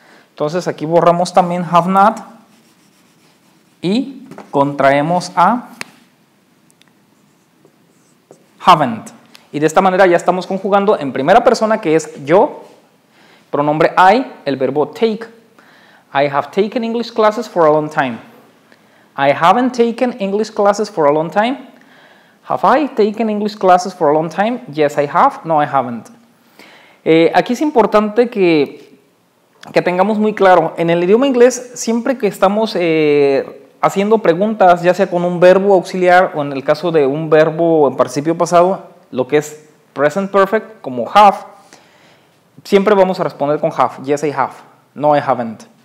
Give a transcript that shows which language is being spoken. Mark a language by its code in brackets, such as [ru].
[es] Entonces aquí borramos también have not y contraemos a haven't. Y de esta manera ya estamos conjugando en primera persona, que es yo, pronombre I, el verbo take. [en] I have taken English classes for a long time. I haven't taken English classes for a long time. Have I taken English classes for a long time? Yes, I have. No, I haven't. [es] Aquí es importante que tengamos muy claro. En el idioma inglés, siempre que estamos haciendo preguntas, ya sea con un verbo auxiliar o en el caso de un verbo en participio pasado, lo que es present perfect, como have, siempre vamos a responder con have. [en] Yes, I have. No, I haven't.